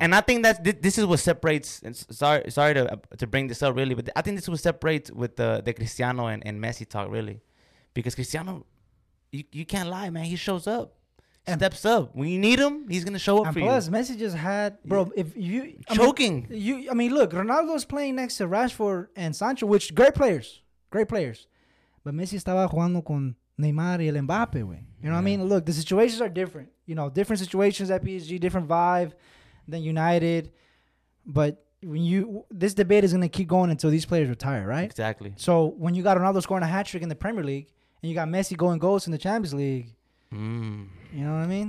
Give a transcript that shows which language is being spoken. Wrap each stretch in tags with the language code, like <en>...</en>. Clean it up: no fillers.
<en>And I think that's this is what separates. And sorry to bring this up really, but I think this is what separates with the Cristiano and Messi talk really, because Cristiano, you can't lie, man. He shows up. And steps up. When you need him, he's going to show up and for plus, you. Plus, Messi just had, bro, if you... Choking. Look, Ronaldo's playing next to Rashford and Sancho, which, great players. But</en> <es>Messi estaba jugando con Neymar y el Mbappe, güey.</es> <en>You know what I mean? Look, the situations are different. You know, different situations at PSG, different vibe than United. But when you... This debate is going to keep going until these players retire, right? Exactly. So, when you got Ronaldo scoring a hat-trick in the Premier League, and you got Messi going goals in the Champions League... You know what I mean?</en>